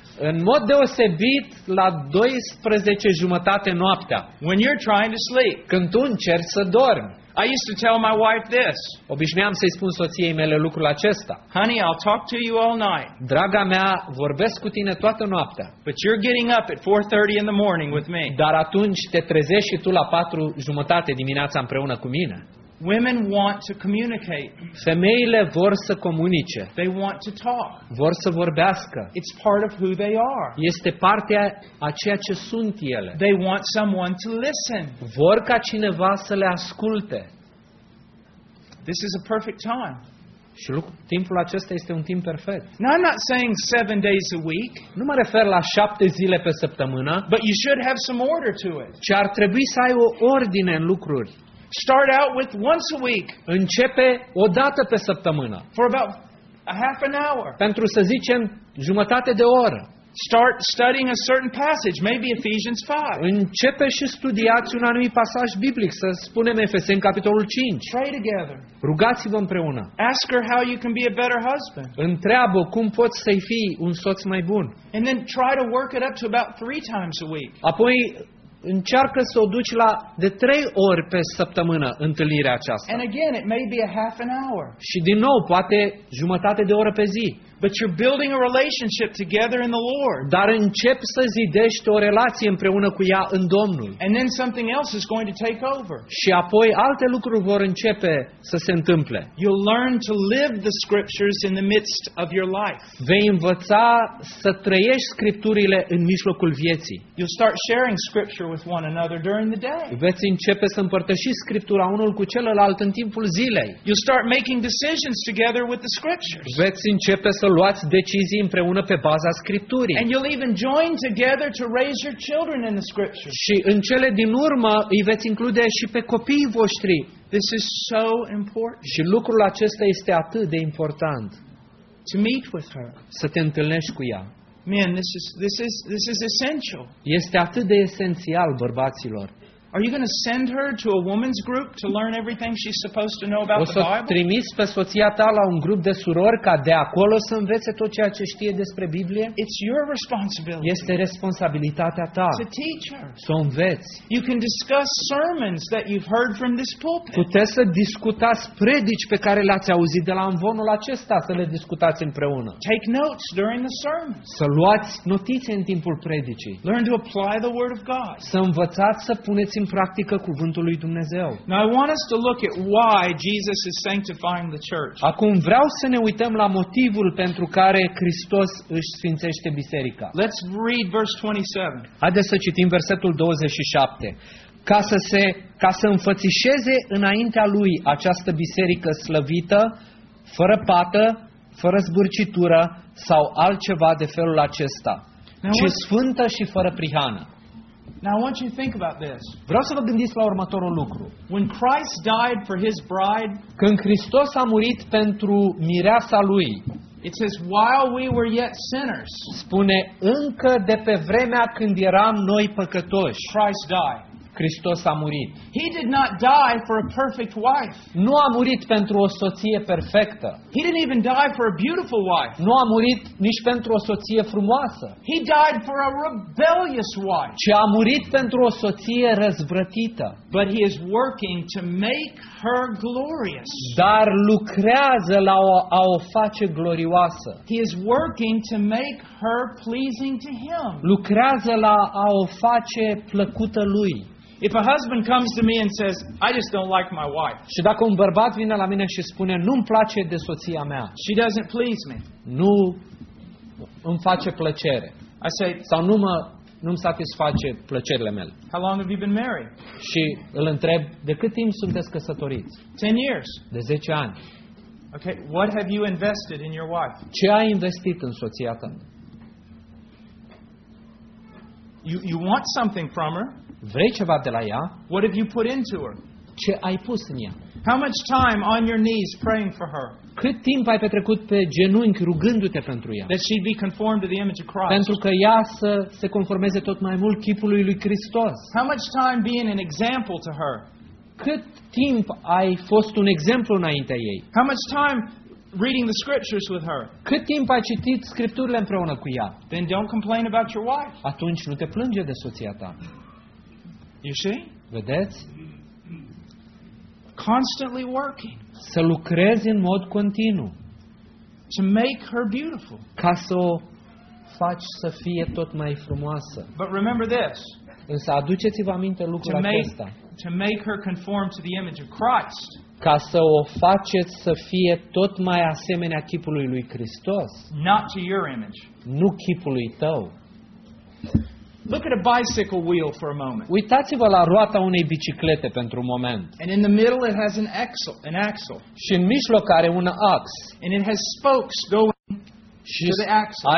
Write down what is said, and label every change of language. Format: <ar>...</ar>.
<ro>În mod deosebit la 12:30 noaptea.</ro> <en>When you're trying to sleep.</en> <ro>Când tu încerci să dormi.</ro> <en>I used to tell my wife this.</en> <ro>Obișnuiam să-i spun soției mele lucrul acesta.</ro> <en>Honey, I'll talk to you all night.</en> <ro>Draga mea, vorbesc cu tine toată noaptea.</ro> <en>But you're getting up at 4:30 in the morning with me.</en> <ro>Dar atunci te trezești și tu la 4:30 dimineața împreună cu mine.</ro> <en>Women want to communicate.</en> <ro>Femeile vor să comunice.</ro> <en>They want to talk.</en> <ro>Vor să vorbească.</ro> <en>It's part of who they are.</en> <ro>Este partea a ceea ce sunt ele.</ro> <en>They want someone to listen.</en> <ro>Vor ca cineva să le asculte.</ro> <en>This is a perfect time.</en> <ro>Și timpul acesta este un timp perfect.</ro> <en>Now, I'm not saying 7 days a week.</en> <ro>Nu mă refer la 7 zile pe săptămână.</ro> <en>But you should have some order to it.</en> <ro>Ci ar trebui să ai o ordine în lucruri.</ro> <en>Start out with once a week.</en> <ro>Începe o dată pe săptămână.</ro> <en>For about a half an hour.</en> <ro>Pentru să zicem jumătate de oră.</ro> <en>Start studying a certain passage, maybe Ephesians 5.</en> <ro>Începe și studiați un anumit pasaj biblic, să spunem Efeseni capitolul 5.</ro> <en>Pray together.</en> <ro>Rugați-vă împreună.</ro> <en>Ask her how you can be a better husband.</en> <ro>Întreabă cum poți să fii un soț mai bun.</ro> <en>And then try to work it up to about 3 times a week.</en> <ro>Apoi încearcă să o duci la de 3 ori pe săptămână întâlnirea aceasta.</ro> <en>And again, it may be a half an hour.</en> <ro>Și din nou, poate jumătate de oră pe zi.</ro> <en>But you're building a relationship together in the Lord.</en> <ro>Dar începi să zidești o relație împreună cu ea în Domnul.</ro> <en>And then something else is going to take over.</en> <ro>Și apoi alte lucruri vor începe să se întâmple.</ro> <en>You'll learn to live the scriptures in the midst of your life.</en> <ro>Vei învăța să trăiești scripturile în mijlocul vieții.</ro> <en>You'll start sharing scripture with one another during the day.</en> <ro>Veți începe să împărtășiți scriptura unul cu celălalt în timpul zilei.</ro> <en>You'll start making decisions together with the scriptures.</en> <ro>Veți începe să luați decizii împreună pe baza Scripturii.</ro> <en>And you'll even join together to raise your children in the scriptures.</en> <ro>Și în cele din urmă îi veți include și pe copiii voștri.</ro> <en>This is so important.</en> <ro>Și lucrul acesta este atât de important.</ro> <en>To meet with her.</en> <ro>Să te întâlnești cu ea.</ro> <en>Man, this is essential.</en> <ro>Este atât de esențial, bărbaților.</ro> <en>Are you going to send her to a women's group to learn everything she's supposed to know about the Bible?</en> <ro>O să trimiți pe soția ta la un grup de surori ca de acolo să învețe tot ceea ce știe despre Biblie?</ro> <en>It's your responsibility.</en> <ro>Este responsabilitatea ta.</ro> <en>To teach her.</en> <ro>Să o înveți.</ro> <en>You can discuss sermons that you've heard from this pulpit.</en> <ro>Puteți să discutați predici pe care le-ați auzit de la amvonul acesta, să le discutați împreună.</ro> <en>Take notes during the sermon.</en> <ro>Să luați notițe în timpul predicii.</ro> <en>Learn to apply the word of God.</en> <ro>Să învățați să puneți în practică cuvântul lui Dumnezeu.</ro> <en>Now I want us to look at why Jesus is sanctifying the church.</en> <ro>Acum vreau să ne uităm la motivul pentru care Hristos își sfințește biserica.</ro> <en>Let's read verse 27.</en> <ro>Haideți să citim versetul 27. Ca să înfățișeze înaintea lui această biserică slăvită, fără pată, fără zbârcitură sau altceva de felul acesta, ci sfântă și fără prihană.</ro> <en>Now I want you to think about this.</en> <ro>Vreau să vă gândiți la următorul lucru.</ro> <en>When Christ died for his bride,</en> <ro>când Hristos a murit pentru mireasa lui,</ro> <en>it says while we were yet sinners.</en> <ro>Spune încă de pe vremea când eram noi păcătoși.</ro> <en>Christ died.</en> <ro>Hristos a murit.</ro> <en>He did not die for a perfect wife.</en> <ro>Nu a murit pentru o soție perfectă.</ro> <en>He didn't even die for a beautiful wife.</en> <ro>Nu a murit nici pentru o soție frumoasă.</ro> <en>He died for a rebellious wife.</en> <ro>Ci a murit pentru o soție răzvrătită.</ro> <en>But he is working to make her glorious.</en> <ro>Dar lucrează la a o face glorioasă.</ro> <en>He is working to make her pleasing to him.</en> <ro>Lucrează la a o face plăcută lui.</ro> <en>If a husband comes to me and says, I just don't like my wife.</en> <ro>Și dacă un bărbat vine la mine și spune, nu-mi place de soția mea.</ro> <en>She doesn't please me.</en> <ro>Nu îmi face plăcere.</ro> <en>I say,</en> <ro>sau nu-mi satisface plăcerile mele.</ro> <en>How long have you been married?</en> <ro>Și îl întreb, de cât timp sunteți căsătoriți?</ro> <en>10 years.</en> <ro>De 10 ani.</ro> <en>Okay, what have you invested in your wife?</en> <ro>Ce ai investit în soția ta?</ro> <en>You want something from her?</en> <ro>Vrei ceva de la ea?</ro> <en>What have you put into her?</en> <ro>Ce ai pus în ea?</ro> <en>How much time on your knees praying for her?</en> <ro>Cât timp ai petrecut pe genunchi rugându-te pentru ea?</ro> <en>That she'd be conformed to the image of Christ.</en> <ro>Pentru că ea să se conformeze tot mai mult chipului lui Hristos.</ro> <en>How much time being an example to her?</en> <ro>Cât timp ai fost un exemplu înaintea ei?</ro> <en>How much time reading the scriptures with her?</en> <ro>Cât timp ai citit scripturile împreună cu ea?</ro> <en>Then don't complain about your wife.</en> <ro>Atunci nu te plânge de soția ta.</ro> <en>You see?</en> <ro>Vedeți?</ro> <en>Constantly working.</en> <ro>Să lucrezi în mod continuu.</ro> <en>To make her beautiful.</en> <ro>Ca să o faci să fie tot mai frumoasă.</ro> <en>But remember this.</en> <ro>Însă aduceți-vă aminte lucrul acesta.</ro> <en>To make her conform to the image of Christ.</en> <ro>Ca să o faceți să fie tot mai asemenea chipului lui Hristos.</ro> <en>Not to your image.</en> <ro>Nu chipului tău.</ro> <en>Look at a bicycle wheel for a moment.</en> <ro>Uitați-vă la roata unei biciclete pentru un moment.</ro> <en>And in the middle it has an axle.</en> <ro>Și în mijloc are un ax.</ro> <en>And it has spokes going to the axle.</en>